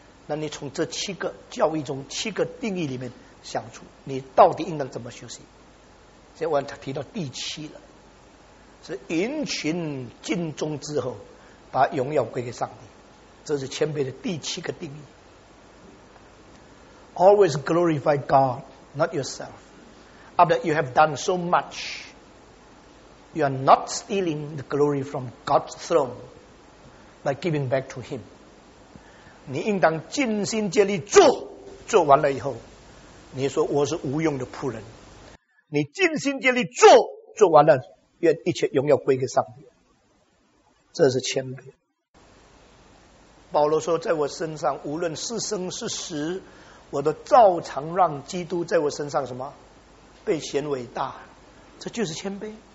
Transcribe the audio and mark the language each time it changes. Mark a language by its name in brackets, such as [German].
[Chinese] 那你从这七个教义中七个定义里面想出你到底应当怎么学习。现在我提到第七了，是殷勤尽忠之后把荣耀归给上帝，这是谦卑的第七个定义。 [English] Always glorify God, not yourself. After you have done so much, you are not stealing the glory from God's throne by giving back to him. [Chinese] 你应当尽心竭力做，做完了以后你说我是无用的仆人，你尽心竭力做，做完了愿一切荣耀归给上帝，这是谦卑。保罗说，在我身上无论是生是死，我都照常让基督在我身上什么被显伟大，这就是谦卑。